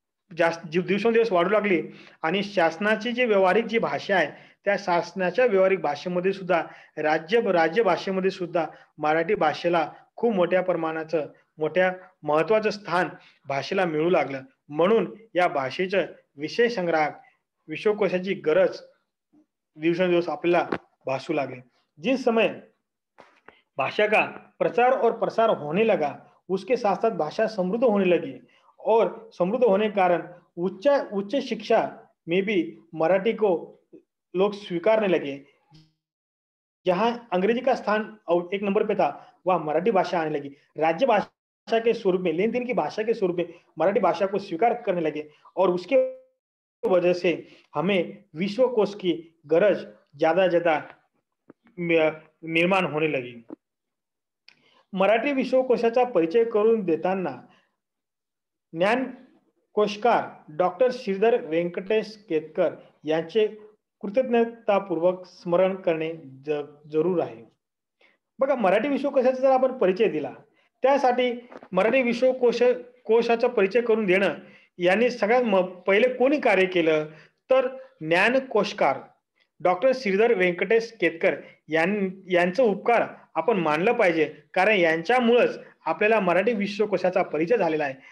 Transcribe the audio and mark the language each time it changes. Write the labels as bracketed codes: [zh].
[mr] जास्त दिवसेंदिवस वाढू लागली आणि शासनाची जी व्यावहारिक जी भाषा आहे त्या शासनाच्या व्यावहारिक भाषेमध्ये सुद्धा राज्य भाषेमध्ये सुद्धा मराठी भाषेला खूप मोठ्या प्रमाणाचं मोठ्या महत्वाचं स्थान भाषेला मिळू लागलं. म्हणून या भाषेचं विषय संग्राहक विश्वकोशाची गरज दिवसेंदिवस आपल्याला भासू लागले. [hi] जिस समय भाषा का प्रचार और प्रसार होने लगा उसके साथ साथ भाषा समृद्ध होने लगी और समृद्ध होने के कारण उच्च शिक्षा में भी मराठी को लोग स्वीकारने लगे. जहां अंग्रेजी का स्थान एक नंबर पे था वहां मराठी भाषा आने लगी. राज्य भाषा के स्वरूप में लेन देन की भाषा के स्वरूप में मराठी भाषा को स्वीकार करने लगे और उसके वजह से हमें विश्वकोश की गरज ज्यादा निर्माण होने लगी. [mr] मराठी विश्वकोशाचा परिचय करून देताना ज्ञानकोशकार डॉक्टर श्रीधर वेंकटेश केतकर यांचे कृतज्ञतापूर्वक स्मरण करणे जरूर आहे. बघा, मराठी विश्वकोशाचा जर आपण परिचय दिला त्यासाठी मराठी विश्वकोशाचा परिचय करून देणं यांनी सगळ्यात पहिले कोणी कार्य केलं तर ज्ञानकोशकार डॉक्टर श्रीधर वेंकटेश केतकर यांचं उपकार आपण मानलं पाहिजे कारण यांच्यामुळेच आपल्याला मराठी विश्वकोशाचा परिचय झालेला आहे.